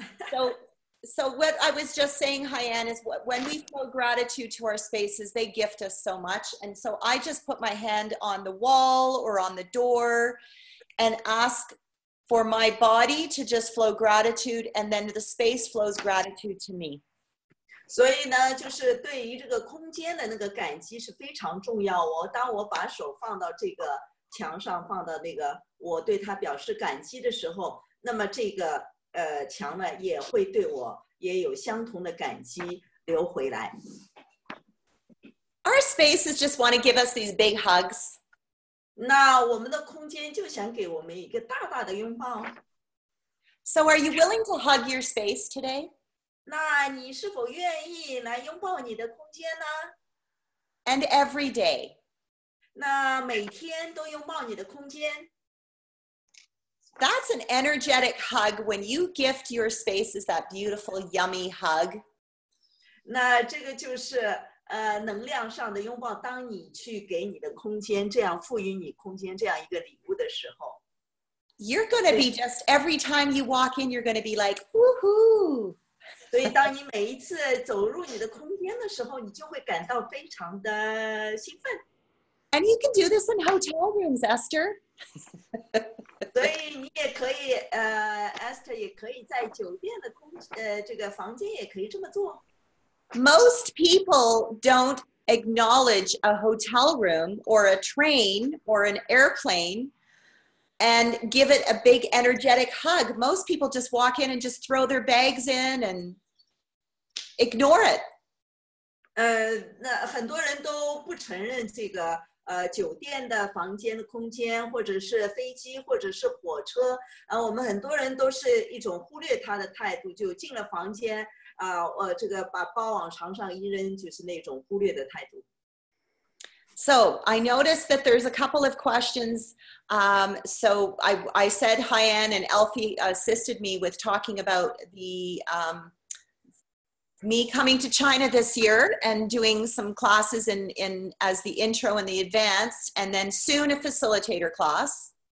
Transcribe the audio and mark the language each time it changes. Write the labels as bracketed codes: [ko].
[en] So what I was just saying, Hyann, is when we flow gratitude to our spaces, they gift us so much. And so I just put my hand on the wall or on the door and ask for my body to just flow gratitude, and then the space flows gratitude to me. [zh] 所以呢，就是对于这个空间的那个感激是非常重要哦。当我把手放到这个墙上放的那个，我对他表示感激的时候，那么这个墙呢也会对我也有相同的感激流回来。 [en] Our spaces just want to give us these big hugs. [zh] 那我们的空间就想给我们一个大大的拥抱。 [en] So are you willing to hug your space today? [zh] 那你是否愿意来拥抱你的空间呢 [en] ？And every day. [zh] 那每天都拥抱你的空间。 [en] That's an energetic hug when you gift your spaces that beautiful, yummy hug. [zh] 那这个就是能量上的拥抱。当你去给你的空间这样赋予你空间这样一个礼物的时候 [en] ，You're gonna be just every time you walk in, you're gonna be like, woohoo! [zh] 所以当你每一次走入你的空间的时候，你就会感到非常的兴奋。 [en] And you can do this in hotel rooms, Esther. [zh] 所以你也可以，Esther 也可以在酒店的空，这个房间也可以这么做。 [en] Most people don't acknowledge a hotel room or a train or an airplane and give it a big energetic hug. Most people just walk in and just throw their bags in and ignore it. [zh] 那很多人都不承认这个酒店的房间的空间，或者是飞机，或者是火车。我们很多人都是一种忽略它的态度，就进了房间，这个把包往床上一扔，就是那种忽略的态度。 [en] So I noticed that there's a couple of questions. So I said hi, Anne, and Elfie assisted me with talking about the me coming to China this year and doing some classes in as the intro and the advanced, and then soon a facilitator class.